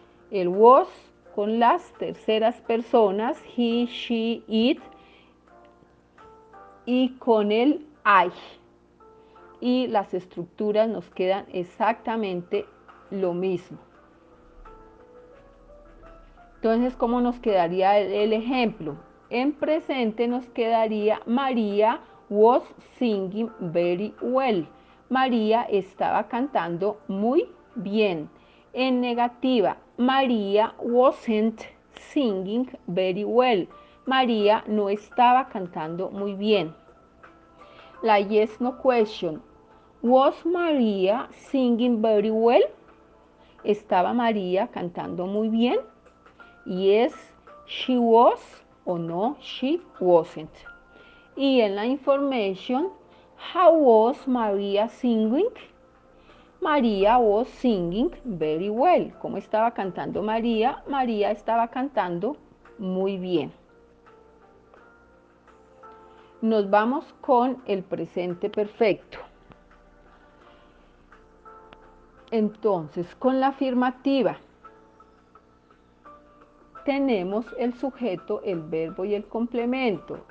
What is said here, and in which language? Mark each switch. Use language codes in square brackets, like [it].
[es] El was con las terceras personas, he, she, it, y con el I. Y las estructuras nos quedan exactamente lo mismo. Entonces, ¿cómo nos quedaría el ejemplo? En presente nos quedaría [en] María was singing very well. [es] María estaba cantando muy bien. En negativa, [en] María wasn't singing very well. [es] María no estaba cantando muy bien. La yes no question. [en] Was María singing very well? [es] ¿Estaba María cantando muy bien? [en] Yes, she was. O no, she wasn't. [es] Y en la information, [en] how was María singing? María was singing very well. [es] ¿Cómo estaba cantando María? María estaba cantando muy bien. Nos vamos con el presente perfecto. Entonces, con la afirmativa, tenemos el sujeto, el verbo y el complemento.